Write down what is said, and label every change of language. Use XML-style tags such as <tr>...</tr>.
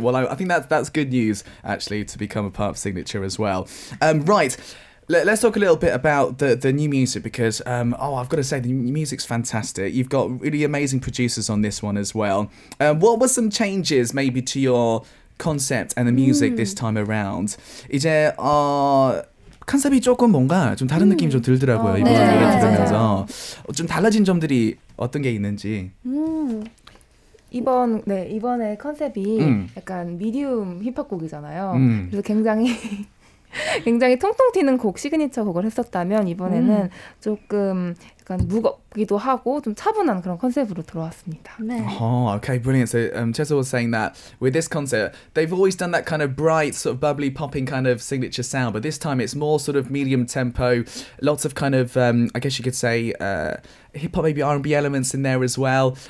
<en>Well, I think that's good news, actually, to become a part of Signature as well. Right. Let's talk a little bit about the new music because, I've got to say, the music's fantastic. You've got really amazing producers on this one as well. What were some changes maybe to your concept and the music this time around?</en> <ko>이제 컨셉이 조금 뭔가 좀 다른 느낌이 좀 들더라고요. 이번 노래 들으면서. 좀 달라진 점들이 어떤 게 있는지. 이번에 컨셉이 약간 미디움 힙합곡이잖아요. 그래서 굉장히 통통 튀는 곡 시그니처 곡을 했었다면 이번에는 조금 약간 무겁기도 하고 좀 차분한 그런 컨셉으로 들어왔습니다. 네.</ko> <en>Oh, okay, brilliant. So, Chesil was saying that with this concept, they've always done that kind of bright, sort of bubbly, popping kind of signature sound, but this time it's more sort of medium tempo, lots of kind of, I guess you could say, hip-hop, maybe R&B elements in there as well.</en>